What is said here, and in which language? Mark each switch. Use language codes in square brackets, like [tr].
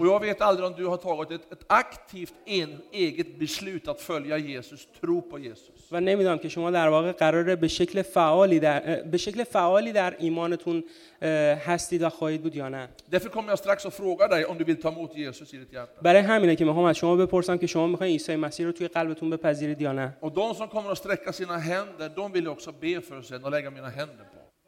[sv] Och jag vet aldrig om du har tagit ett aktivt eget beslut att följa Jesus, tro på Jesus. [fa] و نمی‌دونم که شما در واقع قراره به شکل فعالی در ایمانتون هستید و خواهید بود یا نه. [sv] Därför kommer jag strax att fråga dig om du vill ta emot Jesus i ditt hjärta. [fa] برای همینه که میخوام از شما بپرسم که شما می‌خواید عیسی مسیح رو توی قلبتون بپذیرید یا نه. [sv] Och de som kommer att sträcka sina händer, de vill också be för sen och lägga mina händer på.